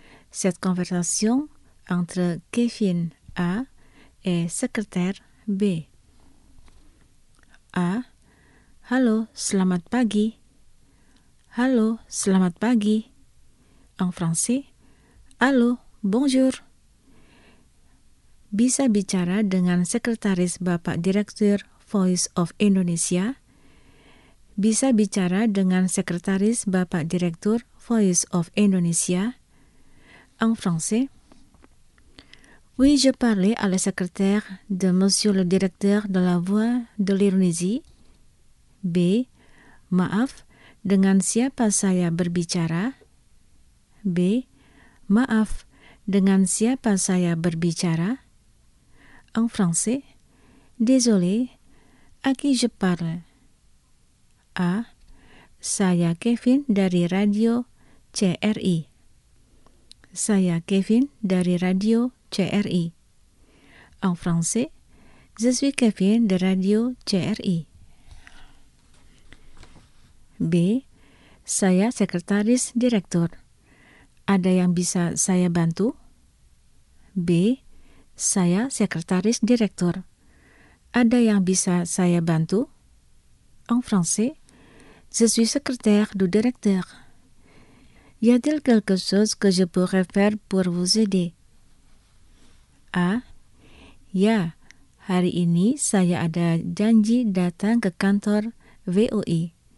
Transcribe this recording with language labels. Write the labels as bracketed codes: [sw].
[fr] Cette conversation entre Kevin A et secrétaire B. A. [id] Halo, selamat pagi. Halo, selamat pagi. [fr] En français, allô, bonjour. [id] Bisa bicara dengan sekretaris Bapak Direktur Voice of Indonesia? Bisa bicara dengan sekretaris Bapak Direktur Voice of Indonesia? [fr] En français, oui, je parle à la secrétaire de Monsieur le Directeur de la Voix de l'Indonésie. B. [id] Maaf, dengan siapa saya berbicara? B. Maaf, dengan siapa saya berbicara? [fr] En français, désolé, à qui je parle? A. [id] Saya Kevin dari Radio CRI. Saya Kevin dari Radio CRI. [fr] En français, je suis Kevin de Radio CRI. [id] B. Saya sekretaris direktur. Ada yang bisa saya bantu? B. Saya sekretaris direktur. Ada yang bisa saya bantu? [fr] En français, je suis secrétaire du directeur. Y a-t-il quelque chose que je pourrais faire pour vous aider? [id] A. Ya, hari ini saya ada janji datang ke kantor VOI.